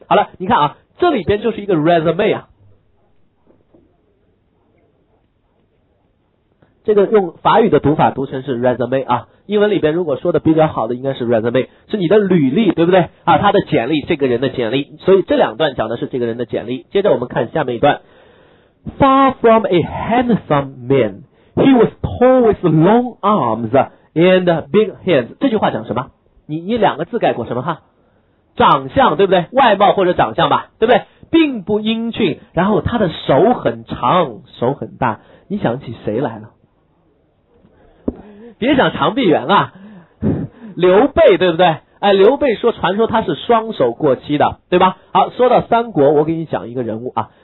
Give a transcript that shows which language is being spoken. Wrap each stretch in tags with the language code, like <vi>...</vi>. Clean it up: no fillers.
<zh>好了，你看啊，这里边就是一个 resume 啊，这个用法语的读法读成是 resume 啊，英文里边如果说的比较好的应该是 resume， 是你的履历，对不对啊？他的简历，这个人的简历。所以这两段讲的是这个人的简历。接着我们看下面一段。</zh> <en>Far from a handsome man, he was tall with long arms and big hands.</en> <zh>这句话讲什么？你两个字概括什么哈？长相，对不对？外貌或者长相吧，对不对？并不英俊，然后他的手很长，手很大。你想起谁来了？别想长臂猿啊，刘备，对不对？哎，刘备说，传说他是双手过膝的，对吧？好，说到三国，我给你讲一个人物啊。</zh>